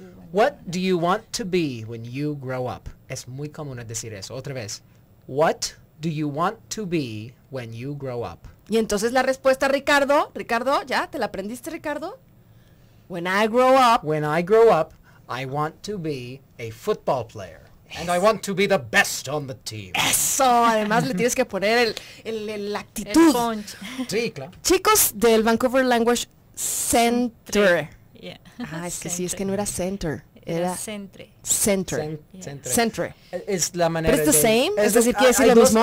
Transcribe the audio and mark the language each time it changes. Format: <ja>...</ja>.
<en>What do you want to be when you grow up?</en> <es>Es muy común decir eso. Otra vez.</es> <en>What do you want to be when you grow up?</en> <es>Y entonces la respuesta, Ricardo, ¿ya te la aprendiste, Ricardo?</es> <en>When I grow up, I want to be a football player. And I want to be the best on the team.</en> <es>Eso, además le tienes que poner la actitud. El punch. Sí, claro. Chicos del Vancouver Language Center. Yeah. Ah, es que sí, es que no era center. Era centre. Es la manera. ¿Es</es> <en>the same?</en> <es>Es decir, ¿quiere decir lo mismo?</es>